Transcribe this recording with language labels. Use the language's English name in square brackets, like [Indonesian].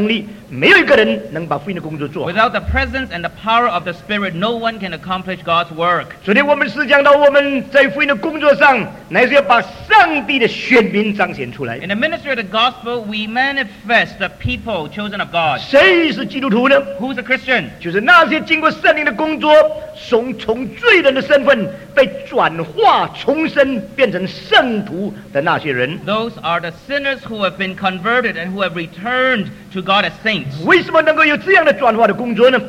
[Chinese] 除非主的灵亲自与我们同行，在我们身上施行他的能力，没有一个人能把福音的工作做。 [English] Without the presence and the power of the Spirit, no one can accomplish God's work. [Chinese] 昨天我们是讲到我们在福音的工作上，乃是要把上帝的选民彰显出来。 [English] In the ministry of the gospel, we manifest the people chosen of God. [Chinese] 谁是基督徒呢？ [English] Who's a Christian? [Chinese] 就是那些经过圣灵的工作，从罪人的身份。 [English] Those are the sinners who have been converted and who have returned to God as saints. [Chinese] 为什么能够有这样的转化的工作呢？